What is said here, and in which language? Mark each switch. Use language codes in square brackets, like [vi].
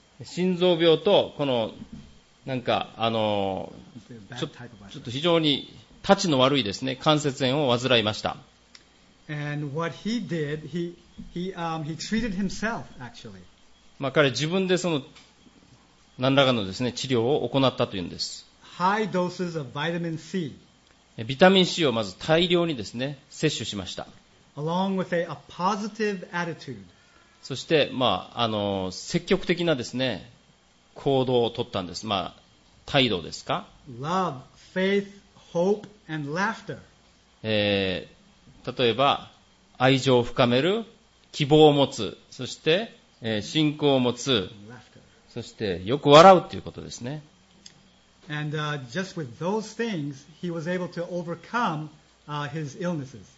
[ja] 心臓病とこのなんかちょっと非常にタチの悪いですね関節炎を患いました。 [en] And what he did, he treated himself actually. [ja] まあ彼自分でその何らかのですね治療を行ったというんです。 [en] High doses of vitamin C. [ja] ビタミン C をまず大量にですね摂取しました。 [en] Along with a positive attitude. [ja] そして、まあ、積極的なですね、行動を取ったんです。まあ、態度ですか。 [en] Love, faith, hope, and laughter. [ja] 例えば、愛情を深める、希望を持つ、そして、信仰を持つ、そして、よく笑うということですね。 [en] And, just with those things, he was able to overcome, his illnesses.